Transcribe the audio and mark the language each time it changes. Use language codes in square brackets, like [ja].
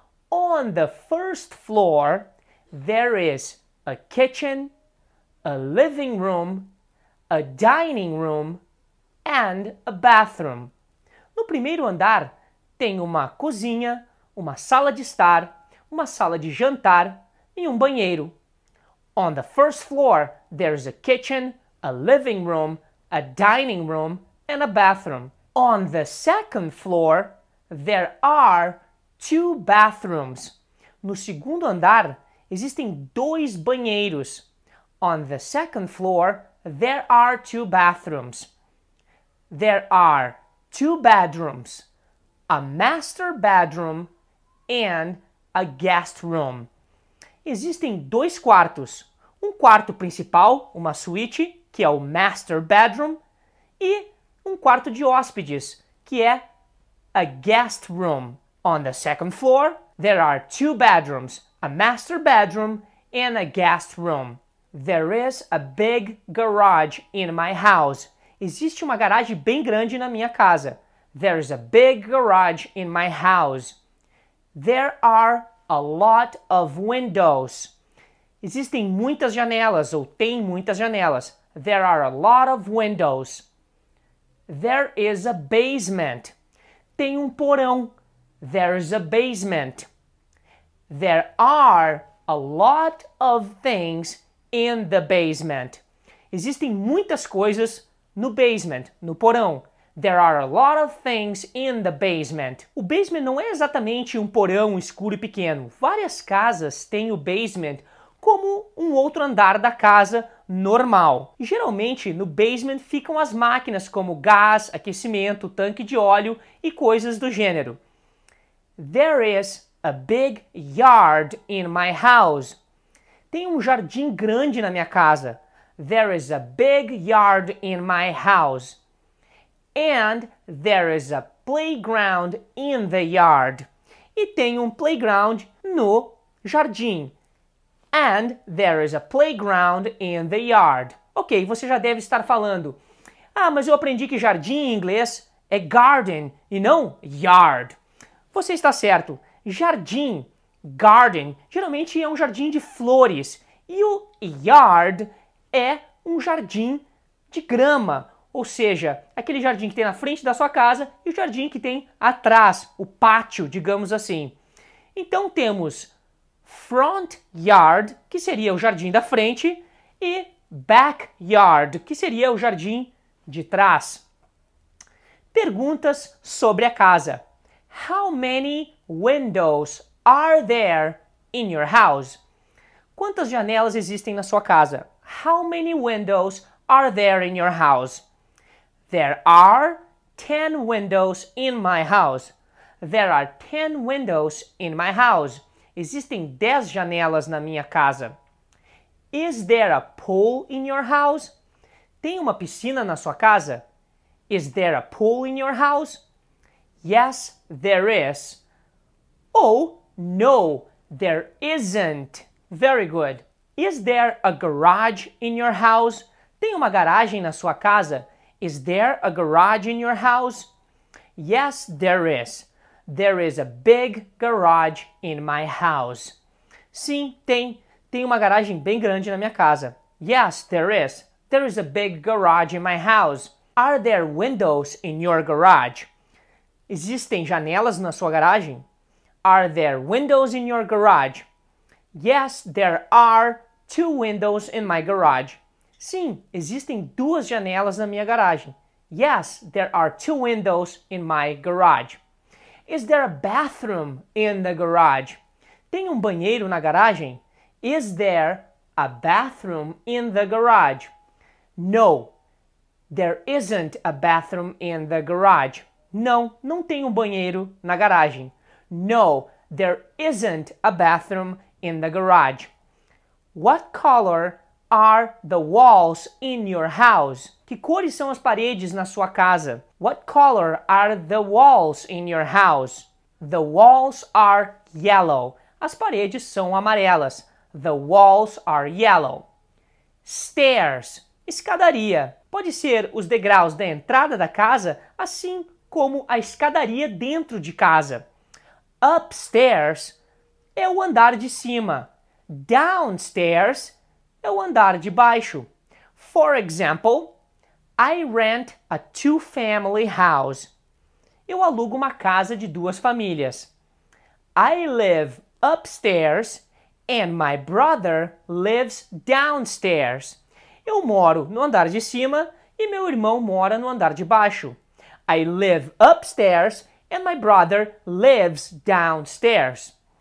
[en] On the first floor, there is a kitchen, a living room, a dining room, and a bathroom. [pt] No primeiro andar tem uma cozinha, uma sala de estar, uma sala de jantar e um banheiro. [en] On the first floor, there's a kitchen, a living room, a dining room, and a bathroom. On the second floor, there are two bathrooms. [pt] No segundo andar, existem dois banheiros. [en] On the second floor, there are two bathrooms. There are two bedrooms, a master bedroom and a guest room. [pt] Existem dois quartos, um quarto principal, uma suíte, que é o master bedroom, e um quarto de hóspedes, que é a guest room. [en] On the second floor, there are two bedrooms, a master bedroom and a guest room. There is a big garage in my house. [pt] Existe uma garagem bem grande na minha casa. [en] There is a big garage in my house. There are a lot of windows. [pt] Existem muitas janelas ou tem muitas janelas. [en] There are a lot of windows. There is a basement. [pt] Tem um porão. [en] There is a basement. There are a lot of things in the basement. [pt] Existem muitas coisas no basement, no porão. [en] There are a lot of things in the basement. [pt] O basement não é exatamente um porão escuro e pequeno. Várias casas têm o basement como um outro andar da casa normal. Geralmente, no basement ficam as máquinas como gás, aquecimento, tanque de óleo e coisas do gênero. [en] There is a big yard in my house. [pt] Tem um jardim grande na minha casa. [en] There is a big yard in my house. And there is a playground in the yard. [pt] E tem um playground no jardim. [en] And there is a playground in the yard. [pt] Ok, você já deve estar falando. Ah, mas eu aprendi que jardim em inglês é garden e não yard. Você está certo. Jardim, garden, geralmente é um jardim de flores. E o yard é um jardim de grama. Ou seja, aquele jardim que tem na frente da sua casa e o jardim que tem atrás, o pátio, digamos assim. Então temos front yard, que seria o jardim da frente, e back yard, que seria o jardim de trás. Perguntas sobre a casa. [en] How many windows are there in your house? [pt] Quantas janelas existem na sua casa? [en] How many windows are there in your house? There are 10 windows in my house. There are 10 windows in my house. [pt] Existem 10 janelas na minha casa. [en] Is there a pool in your house? [pt] Tem uma piscina na sua casa? [en] Is there a pool in your house? Yes, there is. Oh, no, there isn't. Very good. Is there a garage in your house? [pt] Tem uma garagem na sua casa? [en] Is there a garage in your house? Yes, there is. There is a big garage in my house. [pt] Sim, tem. Tem uma garagem bem grande na minha casa. [en] Yes, there is. There is a big garage in my house. Are there windows in your garage? [pt] Existem janelas na sua garagem? [en] Are there windows in your garage? Yes, there are 2 windows in my garage. [pt] Sim, existem 2 janelas na minha garagem. [en] Yes, there are 2 windows in my garage. Is there a bathroom in the garage? [pt] Tem um banheiro na garagem? [en] Is there a bathroom in the garage? No, there isn't a bathroom in the garage. [pt] Não, não tem um banheiro na garagem. [en] No, there isn't a bathroom in the garage. What color are the walls in your house? [pt] Que cores são as paredes na sua casa? [en] What color are the walls in your house? The walls are yellow. [pt] As paredes são amarelas. [en] The walls are yellow. Stairs. Escadaria. [pt] Pode ser os degraus da entrada da casa, assim como a escadaria dentro de casa. Upstairs é o andar de cima. Downstairs é o andar de baixo. [en] For example, I rent a 2-family house. [pt] Eu alugo uma casa de 2 famílias. [en] I live upstairs and my brother lives downstairs. [pt] Eu moro no andar de cima e meu irmão mora no andar de baixo. [en] I live upstairs and my brother lives downstairs.